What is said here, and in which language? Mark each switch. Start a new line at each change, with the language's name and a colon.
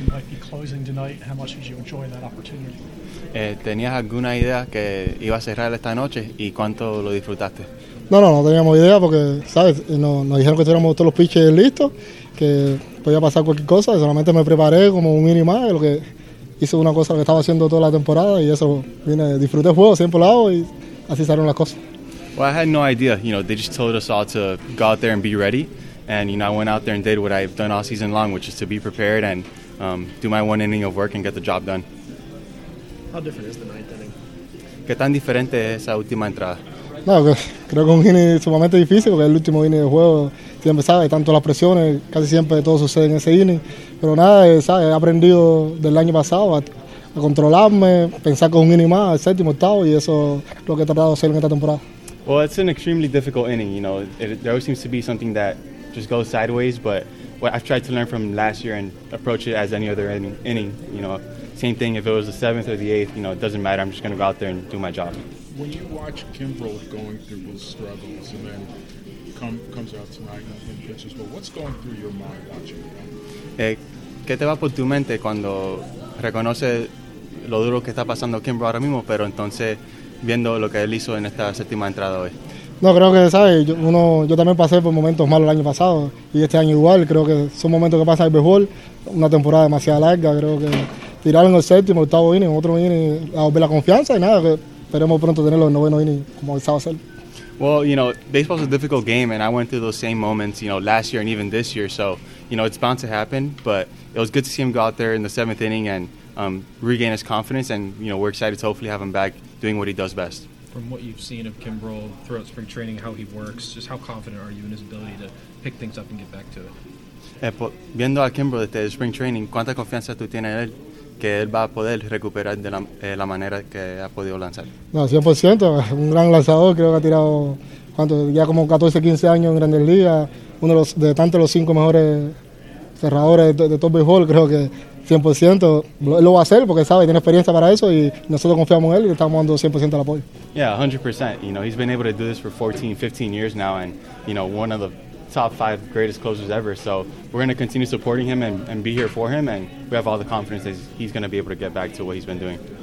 English: might be closing tonight, how much did you enjoy that opportunity?
Spanish: ¿Tenías alguna idea que iba a cerrar esta noche y cuánto lo disfrutaste? No teníamos idea porque, ¿sabes? Nos dijeron que tuviéramos todos los pitches listos, que podía pasar cualquier cosa, solamente me preparé como un mini más, lo que hice una cosa que estaba haciendo toda la temporada y eso, vine, disfruté el juego siempre al lado y así salieron las cosas.
English: Well, I had no idea, you know, they just told us all to go out there and be ready, and, you know, I went out there and did what I've done all season long, which is to be prepared and do my one inning of work and get the job done. How different is the ninth inning?
Spanish: ¿Qué tan diferente es esa última entrada? No, creo que un inning sumamente difícil porque es el último inning del juego, siempre sabes, tanto las presiones, casi siempre todo sucede en ese inning, pero nada, sabes, he aprendido del año pasado a controlarme, pensar con un inning más, el séptimo, octavo, y eso es lo que he tratado de hacer en esta temporada.
English: Well, it's an extremely difficult inning, you know. There always seems to be something that just goes sideways, but what I've tried to learn from last year and approach it as any other inning, you know. Same thing if it was the seventh or the eighth, you know, it doesn't matter. I'm just going to go out there and do my job. When you watch Kimbrel going through those struggles and then comes out tonight and pitches, well, what's going through your mind watching him?
Spanish: ¿Qué te va por tu mente cuando reconoce lo duro que está pasando Kimbrel ahora mismo, pero entonces viendo lo que él hizo en esta séptima entrada hoy? No, creo que, ¿sabes? Yo también pasé por momentos malos el año pasado y este año igual. Creo que son momentos que pasa en el béisbol, una temporada demasiado larga. Creo que tirar en el séptimo, octavo inning, otro inning, a ver la confianza y nada, que esperemos pronto tenerlo en el noveno inning como el sábado.
English: Well, you know, baseball is a difficult game and I went through those same moments, you know, last year and even this year. So, you know, it's bound to happen, but it was good to see him go out there in the seventh inning and regain his confidence, and, you know, we're excited to hopefully have him back doing what he does best. From what you've seen of Kimbrel throughout spring training, how he works, just how confident are you in his ability to pick things up and get back to it?
Spanish: Viendo a Kimbrel desde spring training, ¿cuánta confianza tú tienes en él que él va a poder recuperar de la manera que ha podido lanzar? No, 100%, un gran lanzador, creo que ha tirado ya como 14, 15 años en Grandes Ligas, uno de los cinco mejores cerradores de todo béisbol, creo que 100%, él lo va a hacer porque sabe, tiene experiencia para eso y nosotros confiamos en él y le estamos dando 100% el apoyo.
English: Yeah, 100%. You know, he's been able to do this for 14, 15 years now and, you know, one of the top five greatest closers ever. So we're going to continue supporting him and be here for him, and we have all the confidence that he's going to be able to get back to what he's been doing.